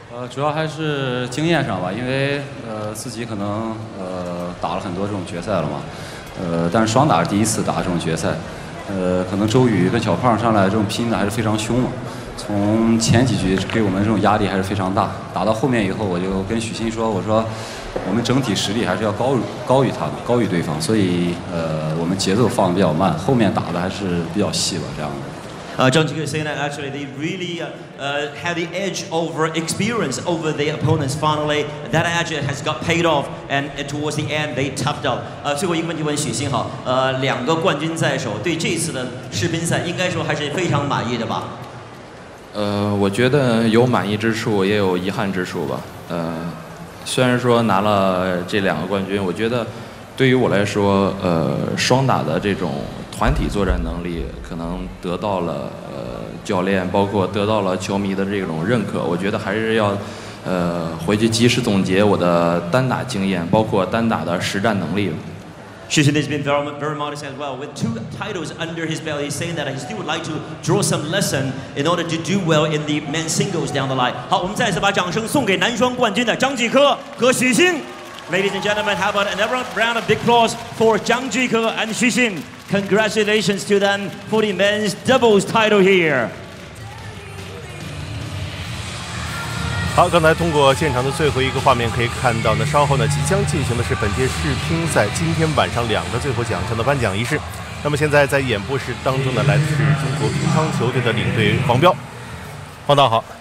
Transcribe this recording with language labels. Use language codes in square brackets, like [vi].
[zh] 主要还是经验上吧，因为自己可能打了很多这种决赛了嘛，但是双打是第一次打这种决赛，可能周雨跟小胖上来这种拼的还是非常凶嘛，从前几局给我们这种压力还是非常大，打到后面以后我就跟许昕说，我说我们整体实力还是要高于他们，高于对方，所以我们节奏放得比较慢，后面打的还是比较细吧，这样的。 [en] Don't you say that actually they really had the edge over experience over their opponents? Finally, that edge has got paid off, and towards the end they toughed up. [zh] 最后一个问题问许昕哈，两个冠军在手，对这次的世乒赛应该说还是非常满意的吧？我觉得有满意之处，也有遗憾之处吧。虽然说拿了这两个冠军，我觉得对于我来说，双打的这种团体作战能力可能得到了教练包括得到了球迷的这种认可，我觉得还是要回去及时总结我的单打经验包括单打的实战能力。 [en] Shishin has been very, very modest as well. With two titles under his belt, he's saying that he still would like to draw some lesson in order to do well in the men's singles down the line. [zh] 好，我们再次把掌声送给男双冠军的张继科和许昕。 [en] Ladies and gentlemen, how about another round of big applause for 张继科 and 许昕? Congratulations to them for the men's doubles title here. [zh] 好，刚才通过现场的最后一个画面可以看到呢，稍后呢即将进行的是本届世乒赛今天晚上两个最后奖项的颁奖仪式。那么现在在演播室当中呢，来自中国乒乓球队的领队黄彪。黄导好。